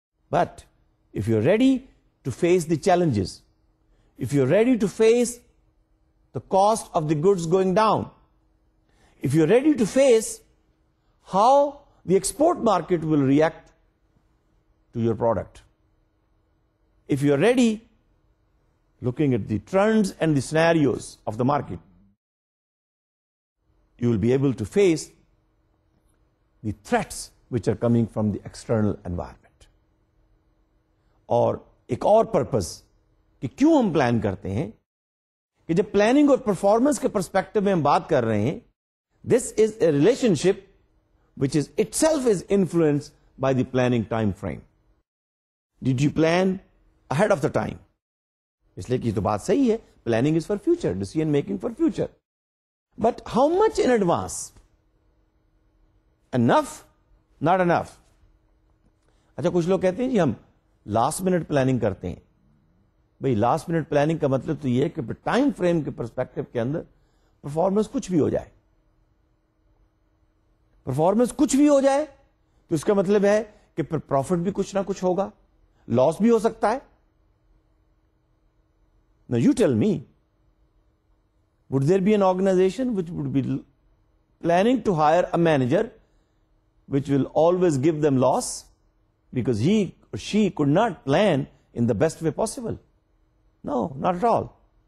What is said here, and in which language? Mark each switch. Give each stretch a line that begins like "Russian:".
English: But if you're ready to face the challenges, if you're ready to face the cost of the goods going down, if you're ready to face how the export market will react to your product, if you're ready looking at the trends and the scenarios of the market, you will be able to face the threats which are coming from the external environment.
Urdu: Or ایک اور purpose کہ کیوں ہم plan کرتے ہیں کہ جب planning اور پرفارمنس کے پرسپیکٹو میں ہم بات کر رہے ہیں,
English: This is a relationship which is itself is influence by the planning time frame. Did you plan ahead of the time?
Urdu: اس لیے کہ یہ تو بات صحیح ہے,
English: Planning is for future, decision making for future, but how much in advance? Enough, not enough.
Urdu: اچھا کچھ لوگ کہتے ہیں جی ہم لاسٹ منٹ پلاننگ کرتے ہیں. بھائی لاسٹ منٹ پلاننگ کا مطلب تو یہ ہے کہ ٹائم فریم کے پرسپیکٹو کے اندر پرفارمنس کچھ بھی ہو جائے, پرفارمنس کچھ بھی ہو جائے تو اس کا مطلب ہے کہ پھر پروفٹ بھی کچھ نہ کچھ ہوگا, لاس بھی ہو سکتا ہے.
English: Now you tell me, would there be an organization which would be planning to hire a manager which will always give them loss because he or she could not plan in the best way possible? No, not at all.